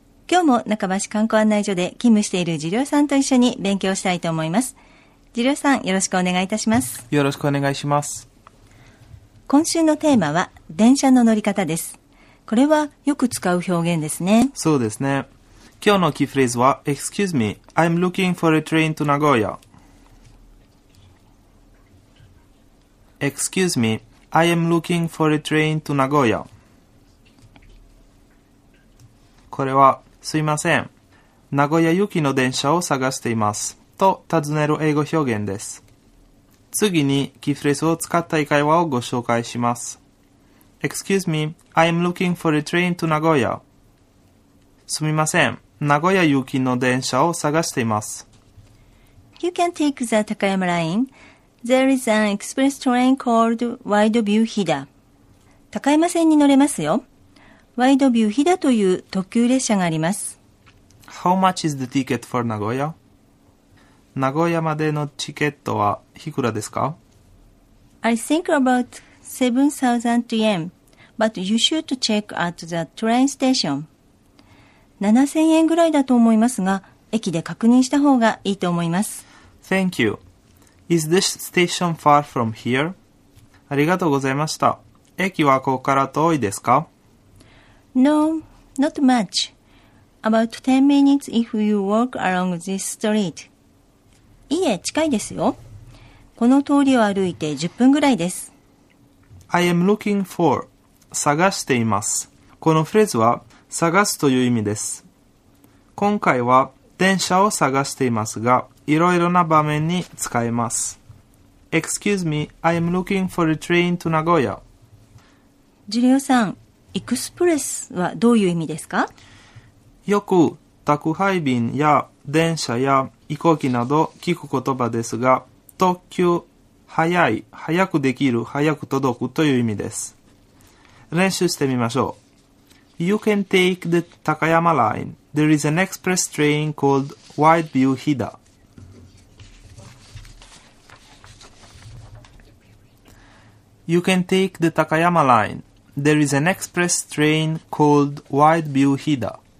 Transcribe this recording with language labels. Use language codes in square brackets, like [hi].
[ja] 今日も中橋観光案内所で勤務している次郎さんと一緒に勉強したいと思います。次郎さん、よろしくお願いいたします。よろしくお願いします。今週のテーマは電車の乗り方です。これはよく使う表現ですね。そうですね。今日のキーフレーズは [en] Excuse me, I'm looking for a train to Nagoya. Excuse me, I am looking for a train to Nagoya. [ja] これはすいません。名古屋行きの電車を探しています。と尋ねる英語表現です。次にキーフレーズを使った会話をご紹介します。 [en] Excuse me, I am looking for a train to Nagoya. [ja] すみません。名古屋行きの電車を探しています。 [en] You can take the Takayama line. There is an express train called Wide View Hida. [ja] 高山線に乗れますよ。 Wide View Hida という特急列車があります。 [en] How much is the ticket for Nagoya? [ja] 名古屋までのチケットはいくらですか? [en] I think about 7,000 yen, but you should check at the train station. [ja] 7000円ぐらいだと思いますが、駅で確認した方がいいと思います。 [en] Thank you. Is this station far from here? [ja] ありがとうございました。駅はここから遠いですか? [en] No, not much. About 10 minutes if you walk along this street. [ja] いいえ、近いですよ。この通りを歩いて10分ぐらいです。 [en] I am looking for. [ja] 探しています。このフレーズは、探すという意味です。今回は電車を探していますが、いろいろな場面に使えます。 [en] Excuse me, I am looking for a train to Nagoya. [ja] ジュリオさん、エクスプレスはどういう意味ですか? よく宅配便や電車や飛行機など聞く言葉ですが、特急、早い、早くできる、早く届くという意味です。練習してみましょう。 [en] You can take the Takayama line. There is an express train called Wide View Hida. You can take the Takayama line. There is an express train called Wide View Hida.